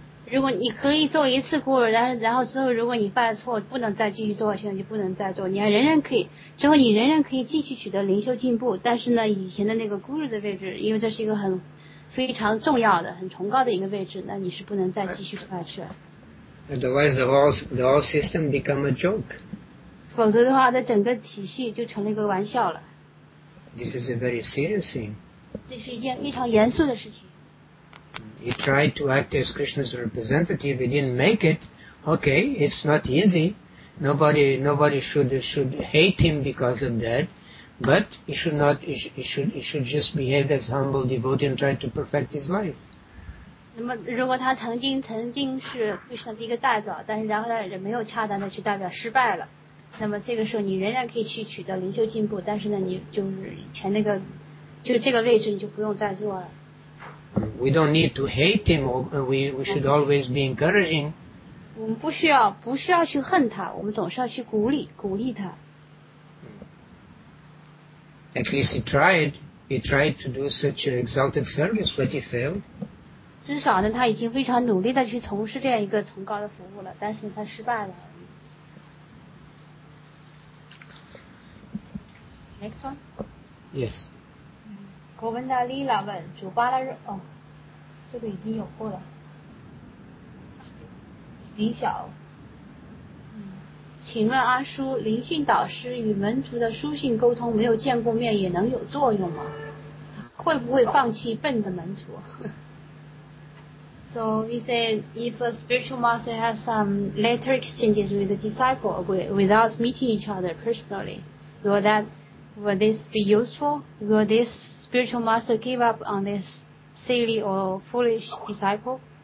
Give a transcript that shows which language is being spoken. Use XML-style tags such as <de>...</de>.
<zh>如果你可以做一次孤儿，然后之后如果你犯了错，不能再继续做，现在就不能再做。你还仍然可以，之后你仍然可以继续取得灵修进步，但是呢，以前的那个孤儿的位置，因为这是一个很非常重要的、很崇高的一个位置，那你是不能再继续下去了。</zh> <en>Otherwise, the whole system become a joke.</en> <zh>否则的话，这整个体系就成了一个玩笑了。</zh> <en>This is a very serious thing.</en> <zh>这是一件非常严肃的事情。</zh> <en>He tried to act as Krishna's representative. He didn't make it. Okay, it's not easy. Nobody should hate him because of that. But he should not. He should just behave as humble devotee and try to perfect his life.</en> <zh>那么如果他曾经是 Krishna 的一个代表，但是然后他没有恰当的去代表，失败了。那么这个时候你仍然可以去取得灵修进步，但是呢，你就是全那个，就这个位置你就不用再做了。</zh> <en>We don't need to hate him. We should always be encouraging.</en> <zh>我们不需要去恨他，我们总是要去鼓励他。</zh> <en>At least he tried. He tried to do such an exalted service, but he failed.</en> <zh>至少呢，他已经非常努力的去从事这样一个崇高的服务了，但是他失败了。</zh> <en>Next one? Yes.</en> <zh>Govinda Lila 问主巴拉热哦，这个已经有过了。林晓，请问阿叔，灵性导师与门徒的书信沟通没有见过面也能有作用吗？会不会放弃笨的门徒？</zh> <en>So he said, if a spiritual master has some letter exchanges with the disciple without meeting each other personally, will that Will this be useful? Will this spiritual master give up on this silly or foolish disciple?</en>